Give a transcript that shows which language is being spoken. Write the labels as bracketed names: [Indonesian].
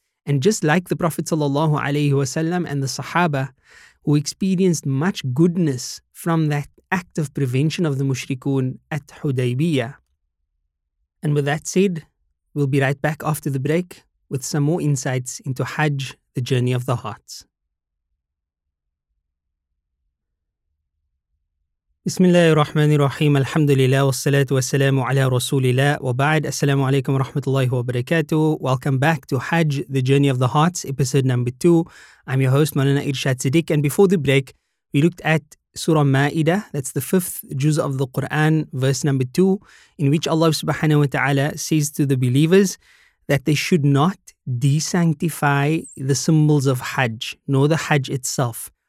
[English] And just like the Prophet sallallahu alayhi wasallam and the Sahaba, who experienced much goodness from that act of prevention of the mushrikun at Hudaybiyah. And with that said, we'll be right back after the break with some more insights into Hajj, the journey of the heart. [Arabic] بسم الله الرحمن الرحيم الحمد لله والصلاة والسلام على رسول الله وبعد السلام عليكم ورحمة الله وبركاته [English] Welcome back to Hajj, the Journey of the Hearts, episode number 2. I'm your host, Malana Irshad Siddiq. And before the break, we looked at Surah Ma'idah, that's the fifth juz of the Quran, verse number 2, in which Allah subhanahu wa ta'ala says to the believers that they should not de-sanctify the symbols of Hajj, nor the Hajj itself.